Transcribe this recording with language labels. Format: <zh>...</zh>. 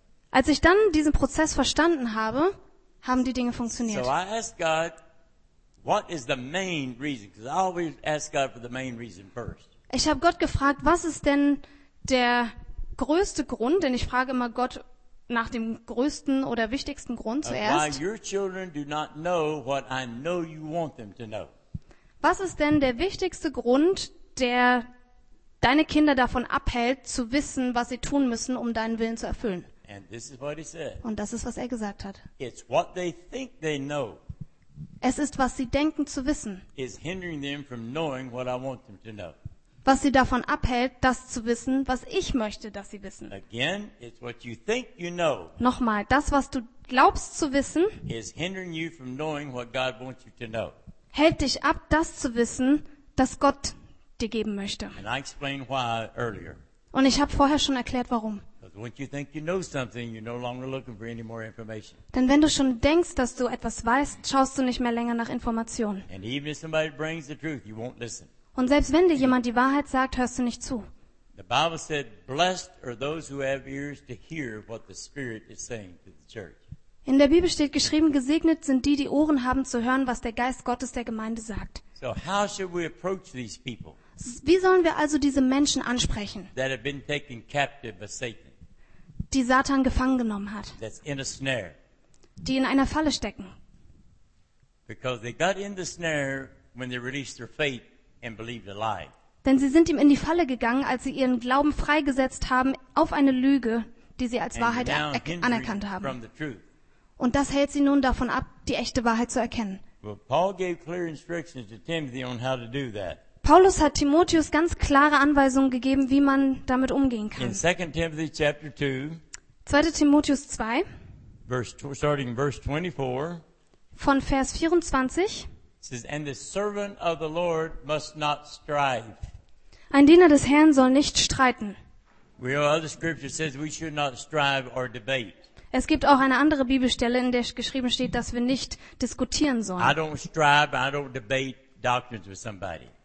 <de>Als ich dann diesen Prozess verstanden habe, haben die Dinge funktioniert.</de> <en>So I asked God, what is the main reason? Because I always ask God for the main reason first.</en> <de>Ich habe Gott gefragt, was ist denn der größte Grund? Denn ich frage immer Gott nach dem größten oder wichtigsten Grund zuerst.</de> <en>Why your children do not know what I know you want them to know.</en> <de>Was ist denn der wichtigste Grund, der deine Kinder davon abhält, zu wissen, was sie tun müssen, um deinen Willen zu erfüllen?</de> <en>And this is what he said.</en> <de>Und das ist, was er gesagt hat.</de> <en>It's what they think they know.</en> <de>Es ist, was sie denken zu wissen.</de> <en>Is hindering them from knowing what I want them to know.</en> <de>Was sie davon abhält, das zu wissen, was ich möchte, dass sie wissen.</de> <en>Again, it's what you think you know.</en> <de>Nochmal, das, was du glaubst zu wissen,</de> <en>is hindering you from knowing what God wants you to know.</en> <de>Hält dich ab, das zu wissen, das Gott dir geben möchte.</de> <en>And I explained why earlier.</en> <de>Und ich habe vorher schon erklärt, warum.</de> <en>Once you think you know something, you're no longer looking for any more information.</en> <de>Denn wenn du schon denkst, dass du etwas weißt, schaust du nicht mehr länger nach Informationen.</de> <en>And even if somebody brings the truth, you won't listen.</en> <de>Und selbst wenn dir jemand die Wahrheit sagt, hörst du nicht zu.</de> <en>The Bible said, "Blessed are those who have ears to hear what the Spirit is saying to the church."</en> <de>In der Bibel steht geschrieben, gesegnet sind die, die Ohren haben zu hören, was der Geist Gottes der Gemeinde sagt.</de> <en>So how should we approach these people?</en> <de>Wie sollen wir also diese Menschen ansprechen?</de> <en>That have been taken captive by Satan.</en> <de>Die Satan gefangen genommen hat.</de> <en>That's in a snare.</en> <de>Die in einer Falle stecken.</de> <en>Because they got in the snare when they released their faith and believed a lie.</en> <de>Denn sie sind ihm in die Falle gegangen, als sie ihren Glauben freigesetzt haben auf eine Lüge, die sie als Wahrheit anerkannt haben.</de> <en>From the truth.</en> <de>Und das hält sie nun davon ab, die echte Wahrheit zu erkennen.</de> <en>Well, Paul gave clear instructions to Timothy on how to do that.</en> <de>Paulus hat Timotheus ganz klare Anweisungen gegeben, wie man damit umgehen kann. In 2. Timotheus 2, Vers 24, von Vers 24,</de> <en>says, "And the servant of the Lord must not strive."</en> <de>Ein Diener des Herrn soll nicht streiten.</de> <en>We know other scripture says we should not strive or debate.</en> <de>Es gibt auch eine andere Bibelstelle, in der geschrieben steht, dass wir nicht diskutieren sollen.</de> <en>I don't strive, I don't debate doctrines with somebody.</en>